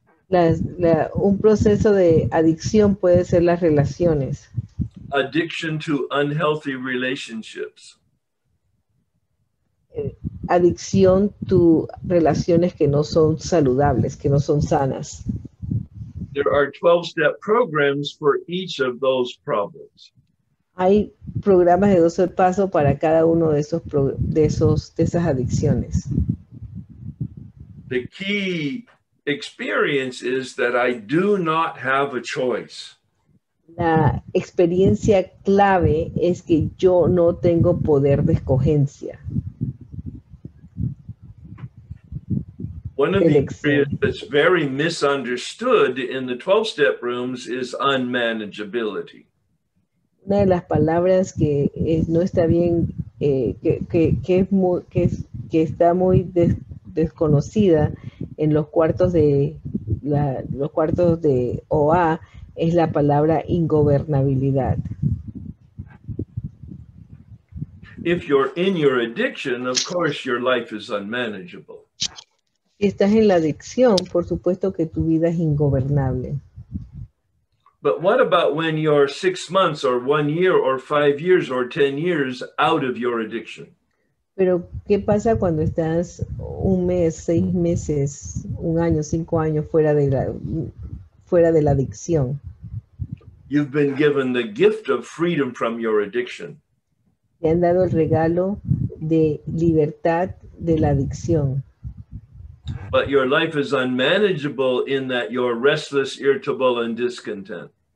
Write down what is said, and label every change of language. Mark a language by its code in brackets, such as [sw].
[es] Un proceso de adicción puede ser las relaciones. [en] Addiction to unhealthy relationships. [es] Adicción [en] to [es] relaciones que no son saludables, que no son sanas. [en] There are 12-step programs for each of those problems. [es] Hay programas de 12 pasos para cada uno de esos de esas adicciones. [en] The key experience is that I do not have a choice. [es] La experiencia clave es que yo no tengo poder de escogencia. [en] One of the areas that's very misunderstood in the 12-step rooms is unmanageability. [es] Una de las palabras que no está bien, que está muy desconocida en los cuartos de OA, es la palabra ingobernabilidad. [en] If you're in your addiction, of course your life is unmanageable. [es] Si estás en la adicción, por supuesto que tu vida es ingobernable. [en] But what about when you're 6 months or 1 year or 5 years or 10 years out of your addiction? [es] Pero, ¿qué pasa cuando estás un mes, 6 meses, un año, 5 años fuera de la adicción? [en] You've been given the gift of freedom from your addiction. [es] Te han dado el regalo de libertad de la adicción. [en] But your life is unmanageable in that you're restless, irritable, and discontent.